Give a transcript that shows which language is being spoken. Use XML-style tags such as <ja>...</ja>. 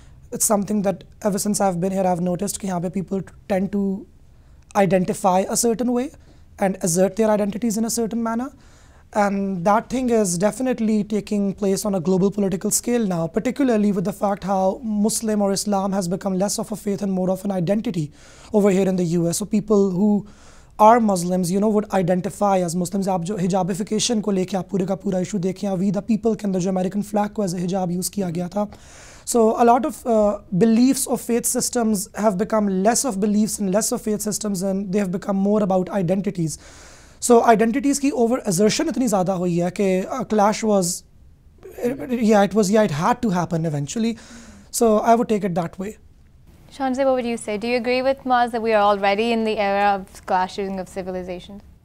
<en>It's something that ever since I've been here, I've noticed that people tend to identify a certain way and assert their identities in a certain manner. And that thing is definitely taking place on a global political scale now, particularly with the fact how Muslim or Islam has become less of a faith and more of an identity over here in the US. So people who are Muslims, you know, would identify as Muslims.</en> <hi>आप जो हिजाबिफिकेशन को लेके आप पूरे का पूरा issue देखें या वी द पीपल के अंदर जो अमेरिकन फ्लैग को एज ए हिजाब यूज किया गया था</hi> <en>So a lot of beliefs of faith systems have become less of beliefs and less of faith systems and they have become more about identities. So identities ki over assertion</en> <hi>itni zyada hui hai ke</hi> <en>a clash was it had to happen eventually. So I would take it that way. Shanze, what would you say? Do you agree with Maz that we are already in the era of clashing of civilizations?</en>